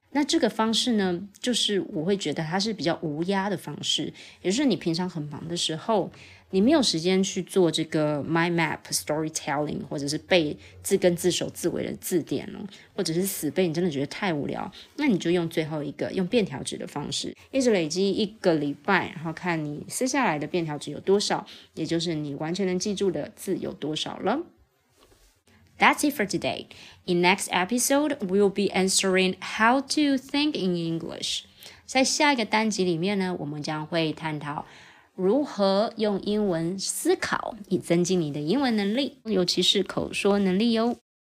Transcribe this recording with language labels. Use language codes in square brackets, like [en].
[zh] 那这个方式呢，就是我会觉得它是比较无压的方式，也就是你平常很忙的时候，你没有时间去做这个 mind map storytelling， 或者是背字根字首字尾的字典，或者是死背，你真的觉得太无聊，那你就用最后一个用便条纸的方式，一直累积一个礼拜，然后看你撕下来的便条纸有多少，也就是你完全能记住的字有多少了。 [en] That's it for today. In next episode, we'll be answering how to think in English. [zh] 在下一个单集里面呢，我们将会探讨如何用英文思考以增进你的英文能力，尤其是口说能力哟。